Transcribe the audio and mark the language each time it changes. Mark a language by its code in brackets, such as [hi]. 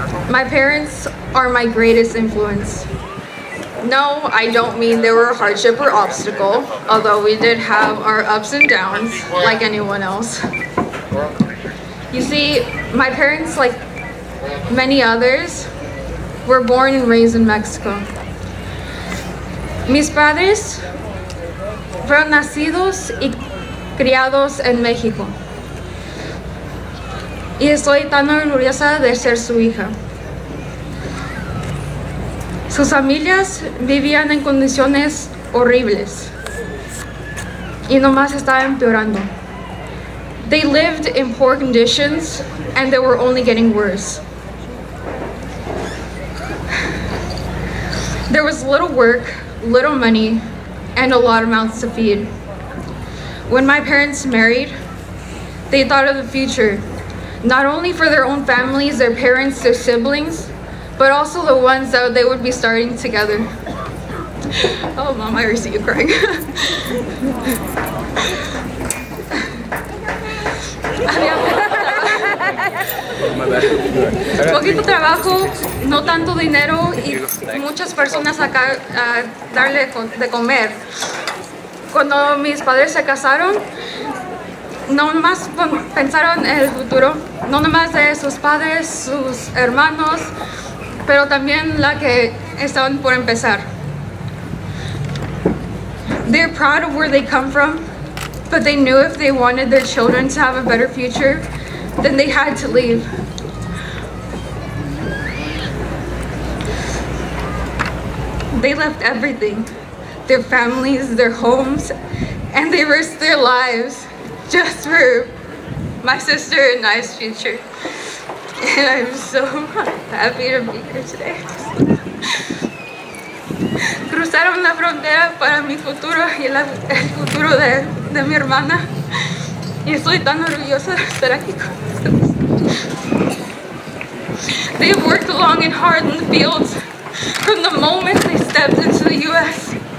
[en] My parents are my greatest influence. No, I don't mean there were a hardship or obstacle, although we did have our ups and downs, like anyone else. You see, my parents, like many others, were born and raised in Mexico. [es] Mis padres fueron nacidos y criados en México. Y estoy tan orgullosa de ser su hija. Sus familias vivían en condiciones horribles y nomás estaba empeorando. [en] They lived in poor conditions and they were only getting worse. There was little work, little money, and a lot of mouths to feed. When my parents married, they thought of the future, not only for their own families, their parents, their siblings, but also the ones that they would be starting together. Oh, Mom, I see you crying. [es] Poquito trabajo, no tanto dinero, y muchas personas acá darle de comer. Cuando mis padres se casaron, no más pensaron en el futuro, no nomás de sus padres, sus hermanos, pero también la que estaban por empezar. [en] They're proud of where they come from, but they knew if they wanted their children to have a better future, then they had to leave. They left everything, their families, their homes, and they risked their lives just for my sister and I's future. And I'm so happy to be here today. [es] Cruzaron la frontera para mi futuro y el futuro de mi hermana. Y estoy tan orgullosa de estar aquí con ustedes. [en] They've worked long and hard in the fields from the moment they stepped into the U.S.